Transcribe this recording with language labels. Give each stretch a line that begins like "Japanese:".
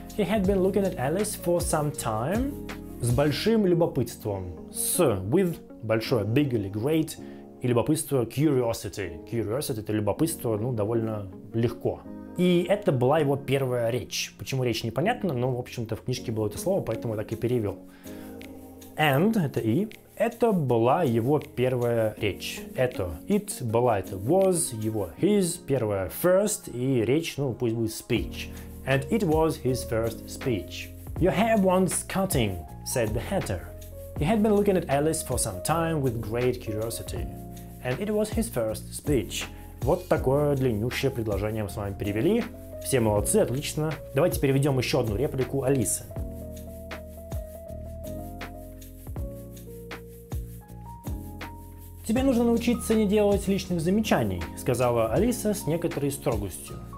English: He had been looking at Alice for some time.
Russian: С большим любопытством. С, with, большое, big или great. И любопытство, curiosity. Curiosity — это любопытство, ну, довольно легко. И это была его первая речь. Почему речь, непонятно, но, в общем-то, в книжке было это слово, поэтому я так и перевел. And, это и, это была его первая речь. Это, it, была, это was, его, his, первая, first, и речь, ну, пусть будет speech.
English: And it was his first speech. Your hair wants cutting, said the hatter. He had been looking at Alice for some time with great curiosity. And it was his first speech.
Russian: Вот такое длиннющее предложение мы с вами перевели. Все молодцы, отлично. Давайте переведем еще одну реплику Алисы. Тебе нужно научиться не делать личных замечаний, сказала Алиса с некоторой строгостью.